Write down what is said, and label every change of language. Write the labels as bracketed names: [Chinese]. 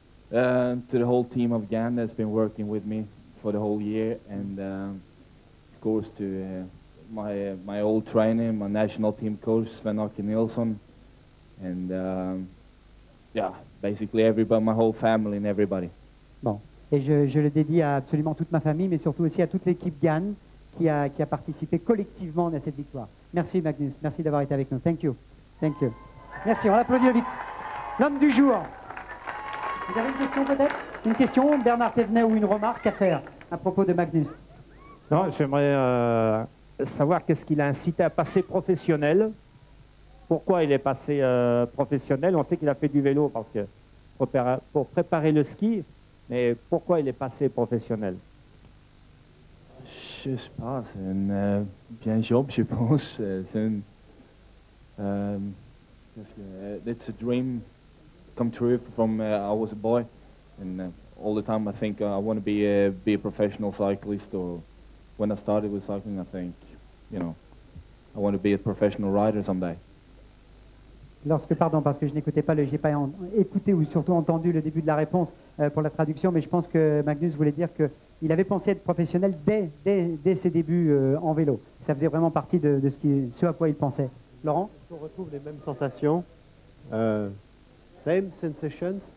[English] To the whole team of GAN that's been working with me for the whole year, and of course to my old trainer, my national team coach Sven-Åke Nilsson, and basically everybody, my whole family and everybody. [French] Bon, et je le dédie à absolument toute ma famille, mais surtout aussi à toute l'équipe GAN qui a participé collectivement à cette victoire. Merci Magnus, merci d'avoir été avec nous. [English] Thank you. [French] Merci. On applaudit le vite. L'homme du jour. Vous avez une question peut-être? Une question, Bernard Thévenet, ou une remarque à faire à propos de Magnus? Non, j'aimerais savoir qu'est-ce qui l'a incité à passer professionnel. Pourquoi il est passé professionnel? On sait qu'il a fait du vélo parce que pour préparer le ski, mais pourquoi il est passé professionnel? Je sais pas, c'est un bien job, je pense. [English] It's a dream come true from I was a boy, and all the time I think I want to be a professional cyclist. Or when I started with cycling, I think, you know, I want to be a professional rider someday. [French] Parce que je n'écoutais pas, j'ai pas écouté ou surtout entendu le début de la réponse pour la traduction, mais je pense que Magnus voulait dire que il avait pensé être professionnel dès ses débuts en vélo. Ça faisait vraiment partie de ce à quoi il pensait. Laurent, on retrouve les mêmes sensations. [English] Same sensations.